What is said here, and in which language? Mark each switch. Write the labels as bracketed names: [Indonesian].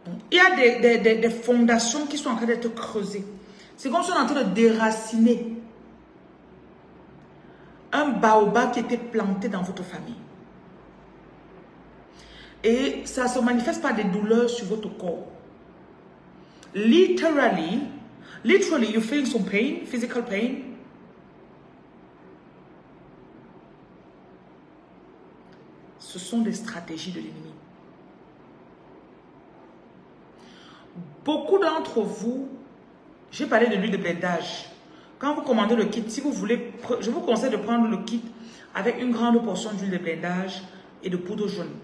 [French] Il y a des fondations qui sont en train d'être creusées. C'est comme si on est en train de déraciner un baobab qui était planté dans votre famille. Et ça se manifeste par des douleurs sur votre corps. [English] Literally, you're feeling some pain, physical pain. [French] Ce sont des stratégies de l'ennemi. Beaucoup d'entre vous, j'ai parlé de l'huile de blindage. Quand vous commandez le kit, si vous voulez, je vous conseille de prendre le kit avec une grande portion d'huile de blindage et de poudre jaune.